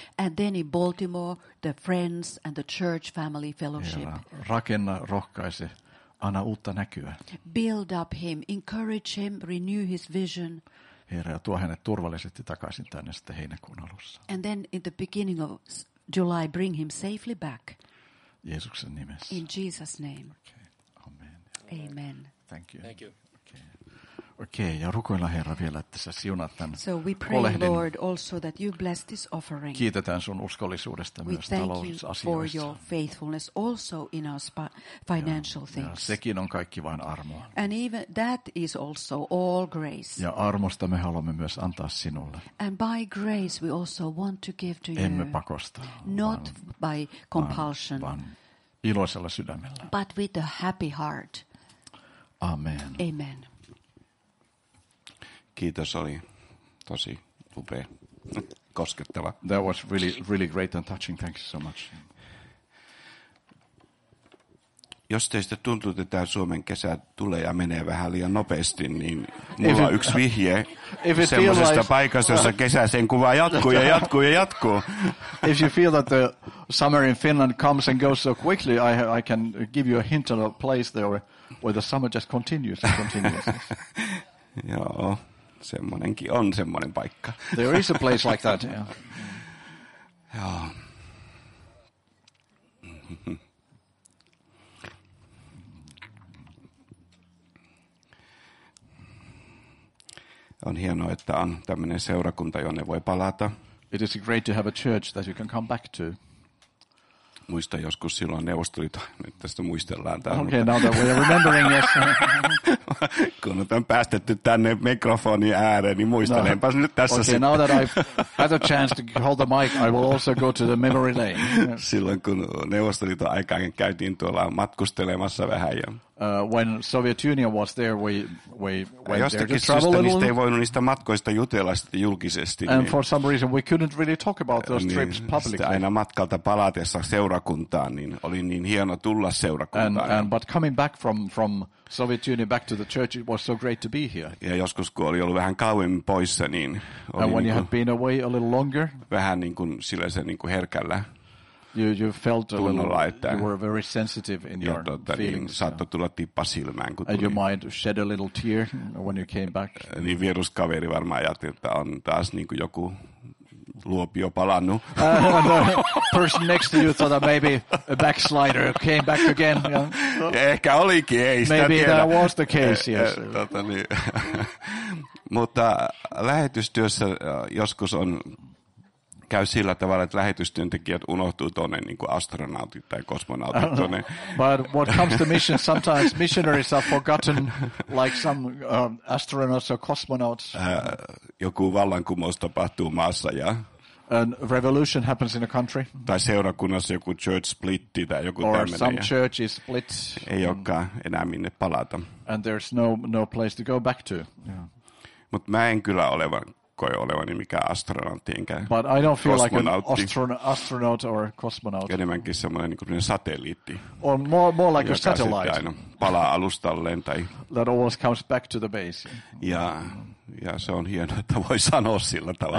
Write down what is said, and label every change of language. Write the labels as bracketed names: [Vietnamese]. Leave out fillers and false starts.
[English] And then in Baltimore, the friends and the church family fellowship. [Finnish] Herra, rakenna, rohkaise, anna uutta näkyä. [English] Build up him, encourage him, renew his vision. [Finnish] Herra, ja tuo hänet turvallisesti takaisin tänne sitten heinäkuun alussa. [English] And then in the beginning of July, bring him safely back. [Finnish] Jeesuksen nimessä. [English] In Jesus' name. Okay. Amen. Amen. Thank you. [Finnish] Okei, ja rukoillaan Herra vielä, että sä siunat tämän [English] so we pray, [Finnish] kolehdin. [English] Lord, also that you bless this offering. [Finnish] Kiitetään sun uskollisuudesta [English] we [Finnish] myös talousasioissa. [English] We thank you for your faithfulness also in our financial things. [Finnish] Ja sekin on kaikki vain armoa. [English] And even that is also all grace. [Finnish] Ja armosta me haluamme myös antaa sinulle. [English] And by grace we also want to give to you. [Finnish] Emme pakosta. [English] Not by compulsion. [Finnish] Vaan iloisella sydämellä. [English] But with a happy heart. [Finnish] Amen. [English] Amen. [Finnish] Kiitos, oli tosi upea, koskettava. [English] That was really, really great and touching. Thank you so much. [Finnish] Jos teistä tuntuu, että tämä Suomen kesä tulee ja menee vähän liian nopeasti, niin mulla on yksi vihje semmoisesta paikasta, jossa kesä sen kuva jatkuu ja jatkuu ja jatkuu. [English] If you feel that the summer in Finland comes and goes so quickly, I can give you a hint of a place there where the summer just continues and continues. [Finnish] Joo. Semmoinenkin on semmoinen paikka. [English] There is a place like that, yeah. [Finnish] Joo. On hienoa, että on tämmöinen seurakunta, jonne voi palata. [English] It is great to have a church that you can come back to. [Finnish] Muistan joskus silloin Neuvostoliiton, nyt tästä muistellaan täällä. [English] Okay, now that we are remembering, yes. [Finnish] kun nyt on päästetty tänne mikrofonin ääreen, niin muistelenpas nyt tässä sitten. [English] Okay, now that I've had a chance to hold the mic, I will also go to the memory lane. Yeah. [Finnish] Silloin kun Neuvostoliiton aikaan käytiin tuolla matkustelemassa vähän jo. [English] When Soviet Union was there, we went there to travel a little. [Finnish] Ei voinut niistä matkoista jutella sitten julkisesti. [English] And [Finnish] niin, [English] for some reason we couldn't really talk about those [Finnish] niin, [English] trips publicly. [Finnish] Sitten aina matkalta palatessa seurakuntaan, niin oli niin hieno tulla seurakuntaan. [English] And but coming back from Soviet Union back to the church, it was so great to be here. [Finnish] Ja joskus kun oli ollut vähän kauemmin poissa, niin oli [English] and when [Finnish] niin [English] you had been away a little longer, [Finnish] vähän niin kuin sillä se niin kuin herkällä. [English] You felt a little, you were very sensitive in your feelings. [Finnish] Saattoi tulla tippa silmään, kun [English] and you might shed a little tear when you came back. [Finnish] Niin vieruskaveri varmaan ajatteli, että on taas niin kuin joku luopio palannut. [English] The person next to you thought that maybe a backslider came back again. [Finnish] Ja ehkä olikin, ei sitä [English] maybe [Finnish] tiedä. [English] That was the case, yes. [Finnish] Mutta lähetystyössä joskus on käy sillä tavalla, että lähetystyöntekijät unohtuu tuonne niin kuin astronautit tai kosmonautit tuonne. [English] But what comes to mission, sometimes missionaries are forgotten, like some astronauts or cosmonauts. [Finnish] Joku vallankumous tapahtuu maassa ja [English] a revolution happens in a country. [Finnish] Tai seurakunnassa joku church splitti tai joku [English] or [Finnish] tämmöinen. [English] Or some church is split. [Finnish] Ei olekaan enää minne palata. [English] And there's no place to go back to. Yeah. [Finnish] Mutta mä en kyllä olevan koe olevani mikään astronautti, enkä [English] but I don't feel like an astronaut or cosmonaut. [Finnish] Enemmänkin semmoinen niin kuin satelliitti. [English] Or more like a satellite. [Finnish] Aina palaa alustalleen tai [English] that always comes back to the base. [Finnish] Ja se on hienoa, että voi sanoa sillä tavalla.